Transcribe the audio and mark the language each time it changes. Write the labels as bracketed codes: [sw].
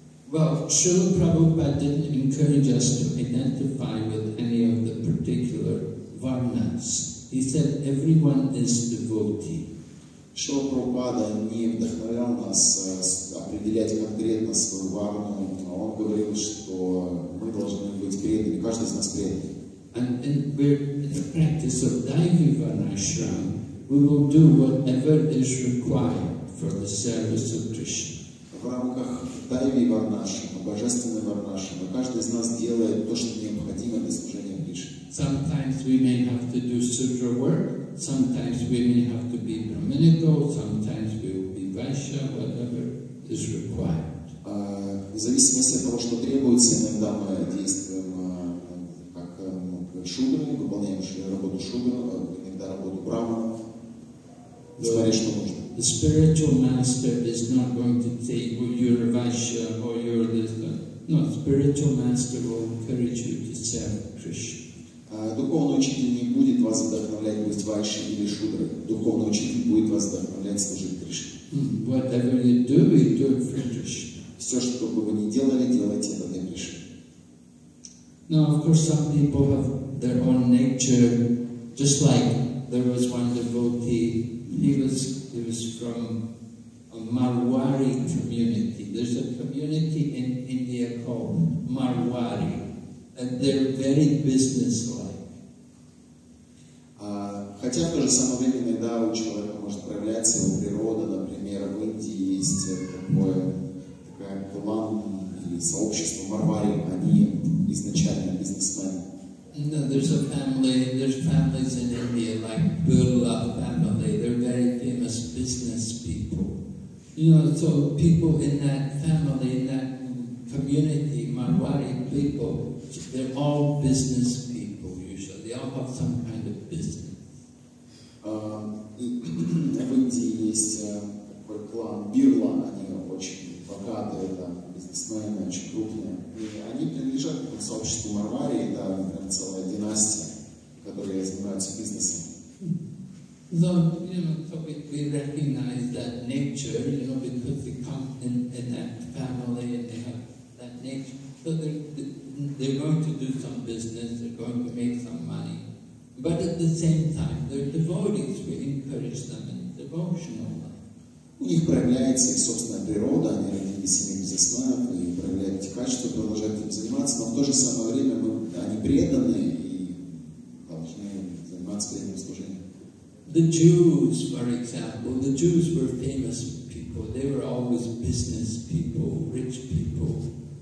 [en] Well, Srila Prabhupada didn't encourage us to identify with any of the particular varnas. He said everyone is devotee. [ru] Srila Prabhupada не вдохновлял нас определять конкретно свою варну, но он говорил, что мы должны быть преданы, каждый из нас преданный. [en] And we're in the practice of Daivi Varnashram, we will do whatever is required for the service of Krishna. [ru] В рамках Дайви Варнашрама, Божественного Варнашрама, каждый из нас делает то, что необходимо для служения Кришне. [en] Sometimes we may have to do sutra work, sometimes we may have to be brahminical, sometimes we will be vaishya, whatever is required. [ru] В зависимости от того, что требуется, иногда мы действуем как шудру, выполняем работу шудру, иногда работу брахмана. Смотри, что нужно. [en] The spiritual master is not going to say, well, you're a Vaishya or you're this. No, the spiritual master will encourage you to serve Krishna. [ru] Духовный учитель не будет вас вдохновлять быть Вайшей или Шудрой. Духовный учитель будет вас вдохновлять служить Кришне. [en] Whatever you do, you do it for Krishna. [ru] Все, что бы вы ни делали, делайте это для Кришны. [en] Now, of course, some people have their own nature. Just like there was one devotee, he was from a Marwari community. There's a community in India called Marwari, and they're very businesslike. [ru] Хотя в то же самое время иногда у человека может проявляться его природа, например, в Индии есть такой клан или сообщество Марвари, они изначально бизнесмены. [en] No, there's families in India like Birla family. They're very famous business people. You know, so people in that family, in that community, Marwari people, they're all business people usually. They all have some kind of business. [ru] В Индии есть такой клан Бирла, они очень богатые, там бизнесмены, очень крупные. И они принадлежат к сообществу Марварии, да, например, целая династия, которая занимается бизнесом. [en] So, you know, so we recognize that nature, you know, because they come in that family and they have that nature. So they're going to do some business, they're going to make some money. But at the same time, they're devotees, we encourage them in devotional life. [ru] У них проявляется их собственная природа, они родились семьи бизнесменов, и проявляют эти качества, продолжают этим заниматься, но в то же самое время они преданы и должны заниматься преданным служением. [en] The Jews, for example, the Jews were famous people, they were always business people, rich people.